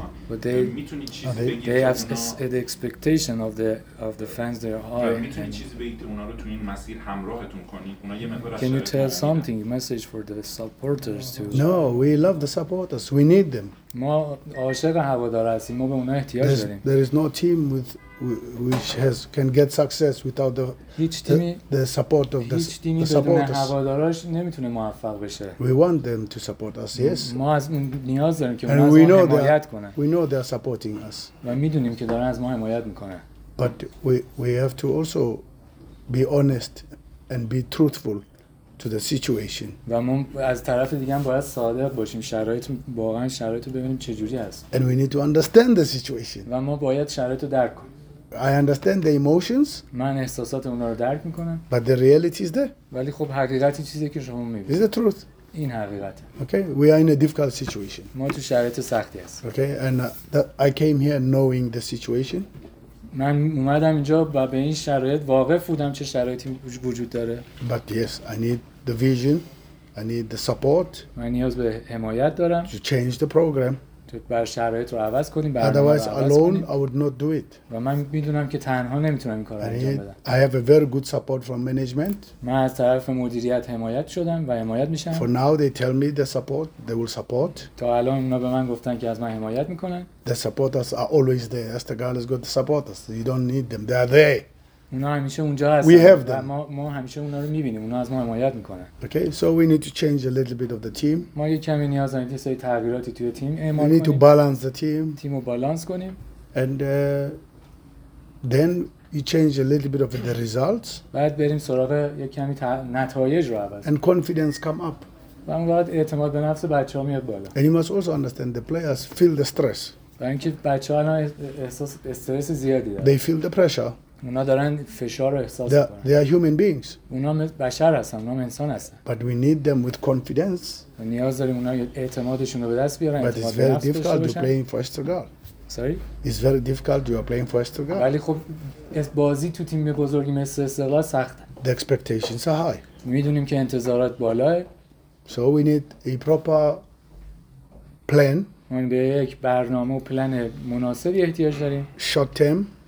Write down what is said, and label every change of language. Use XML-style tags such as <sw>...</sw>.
<en>But they have the expectation of the fans there high.</en> <fa>می‌تونید چیزی بگید اونا رو تو این مسیر همراهتون کنید. اونا یه مقدار</fa> <en>Can you tell something message for the supporters too? No, we love the supporters. We need them.</en> <fa>ما عاشق هوادار هستیم. ما به اونا احتیاج داریم.</fa> <en>There is no team with which has can get success without the support of the supporters.</en> <fa>هواداراش نمیتونه موفق بشه.</fa> <en>We want them to support us. Yes.</en> <fa>ما از نیاز داریم که اونا از ما حمایت کنن.</fa> <en>We know they are supporting us.</en> <fa>ما میدونیم که دارن از ما حمایت میکنن.</fa> <en>But we have to also be honest and be truthful to the situation.</en> <fa>و ما از طرف دیگه هم باید صادق باشیم. شرایط واقعا شرایط رو ببینیم چه جوری است.</fa> <en>And we need to understand the situation.</en> <fa>و ما باید شرایط رو درک کنیم.</fa> <en>I understand the emotions.</en> <fa>من احساسات اونا رو درک میکنم.</fa> <en>But the reality is there.</en> <fa>ولی خب حقیقتی چیزی که شما میبینید.</fa> <en>Is the truth.</en> <fa>این حقیقته.</fa> <en>Okay, we are in a difficult situation.</en> <fa>ما تو شرایط سختی هستیم.</fa> <en>Okay, and I came here knowing the situation.</en> <fa>من اومدم اینجا و به این شرایط واقف بودم چه شرایطی وجود داره.</fa> <en>But yes, I need the vision. I need the support.</en> <fa>من نیاز به حمایت دارم.</fa> <en>To change the program.</en> <fa>بر شرایط رو عوض کنیم</fa> <en>otherwise alone I would not do it.</en> <fa>و من میدونم که تنها نمیتونم این کار رو انجام بدم.</fa> <en>I have a very good support from management.</en> <fa>من از طرف مدیریت حمایت شدم و حمایت میشم.</fa> <en>For now they tell me the support, they will support.</en> <fa>تا الان اونا به من گفتن که از من حمایت میکنن.</fa> <en>The supporters are always there. Astagal has got the supporters. You don't need them. They are there.</en> <fa>اونا همیشه اونجا هستن.</fa> <en>We have them.</en> <fa>ما همیشه اونا رو میبینیم. اونا از ما حمایت میکنن.</fa> <en>Okay, so we need to change a little bit of the team.</en> <fa>ما یه کمی نیاز داریم که سری تغییراتی توی تیم اعمال کنیم.</fa> <en>We need to balance the team.</en> <fa>تیم رو بالانس کنیم.</fa> <en>And then you change a little bit of the results.</en> <fa>بعد بریم سراغ یه کمی نتایج رو عوض.</fa> <en>And confidence come up.</en> <fa>و اون وقت اعتماد به نفس بچه‌ها میاد بالا.</fa> <en>And you must also understand the players feel the stress.</en> <fa>برای اینکه بچه‌ها الان احساس استرس زیادی دارن.</fa> <en>They feel the pressure.</en> <fa>اونا دارن فشار رو احساس میکنن.</fa> <en>They are human beings.</en> <fa>اونا بشر هستن، اونا انسان هستن.</fa> <en>But we need them with confidence.</en> <fa>و نیاز داریم اونا اعتمادشون رو به دست بیارن.</fa> <en>But it's very difficult to play for Estoril. Sorry? It's very difficult you are playing for Estoril.</en> <fa>ولی خب بازی تو تیم بزرگی مثل استقلال سخته.</fa> <en>The expectations are high.</en> <fa>میدونیم که انتظارات بالاست.</fa> <en>So we need a proper plan.</en> <fa>ما به یک برنامه و پلن مناسبی احتیاج داریم.</fa> <en>Short term.</en>